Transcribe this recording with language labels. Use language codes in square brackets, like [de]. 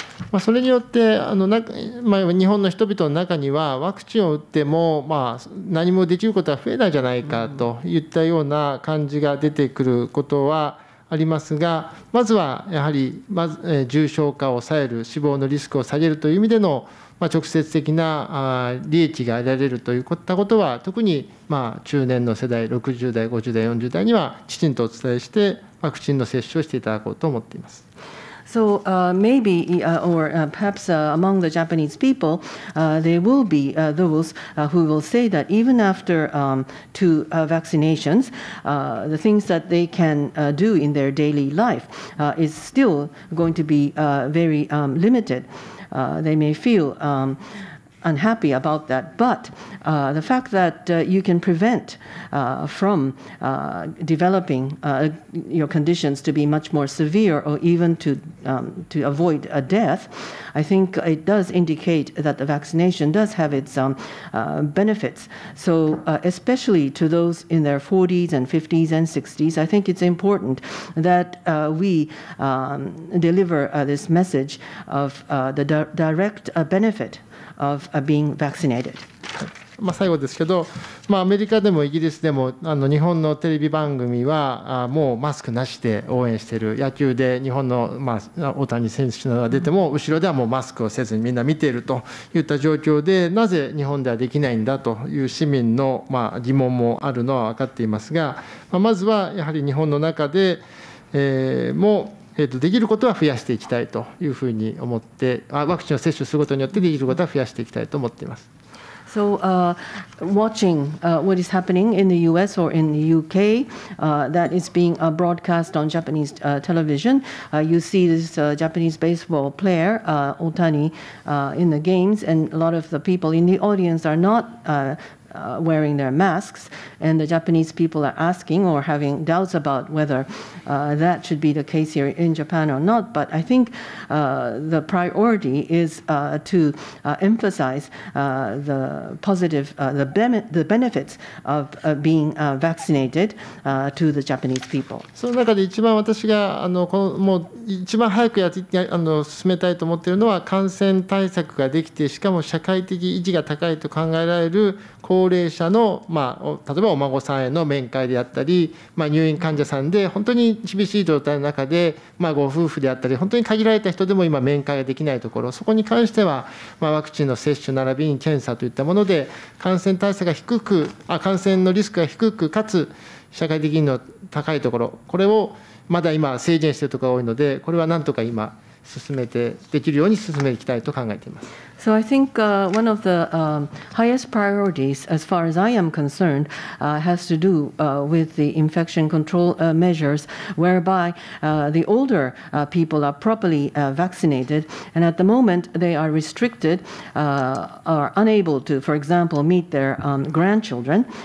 [ja] まあ、それによってあの、まあ、日本の人々の中にはワクチンを打っても、まあ、何もできることは増えないじゃないかといったような感じが出てくることはありますが、まずはやはりまず重症化を抑える、死亡のリスクを下げるという意味での、まあ、直接的な利益が得られるといったことは、特に、まあ、中年の世代、60代、50代、40代にはきちんとお伝えして、ワクチンの接種をしていただこうと思っています。 [en] So maybe or perhaps among the Japanese people, there will be those who will say that even after two vaccinations, the things that they can do in their daily life is still going to be very limited. They may feel unhappy about that. But the fact that you can prevent from developing your conditions to be much more severe or even to avoid a death, I think it does indicate that the vaccination does have its benefits. So especially to those in their 40s and 50s and 60s, I think it's important that we deliver this message of the direct benefit of being vaccinated. [ja] まあ最後ですけど、まあアメリカでもイギリスでもあの日本のテレビ番組はもうマスクなしで応援している、野球で日本のまあ大谷選手などが出ても後ろではもうマスクをせずにみんな見ているといった状況で、なぜ日本ではできないんだという市民のまあ疑問もあるのは分かっていますが、まずはやはり日本の中でもできることは増やしていきたいというふうに思って、ワクチンを接種することによってできることは増やしていきたいと思っています。 [en] So, watching what is happening in the U.S. or in the U.K. That is being broadcast on Japanese television, you see this Japanese baseball player Otani in the games, and a lot of the people in the audience are not wearing their masks, and the Japanese people are asking or having doubts about whether that should be the case here in Japan or not. But I think the priority is to emphasize the positive, the benefits of being vaccinated to the Japanese people. [ja] その中で一番私がこのもう一番早くやって進めたいと思っているのは、感染対策ができて、しかも社会的意義が高いと考えられる高齢者の、まあ、例えばお孫さんへの面会であったり、まあ、入院患者さんで本当に厳しい状態の中で、まあ、ご夫婦であったり本当に限られた人でも今面会ができないところ、そこに関しては、まあ、ワクチンの接種並びに検査といったもので感染対策が低く、感染のリスクが低くかつ社会的に高いところ、これをまだ今制限しているところが多いので、これはなんとか今進めてできるように進めていきたいと考えています。 [en] So I think one of the highest priorities, as far as I am concerned, has to do with the infection control measures, whereby the older people are properly vaccinated, and at the moment they are restricted, are unable to, for example, meet their grandchildren.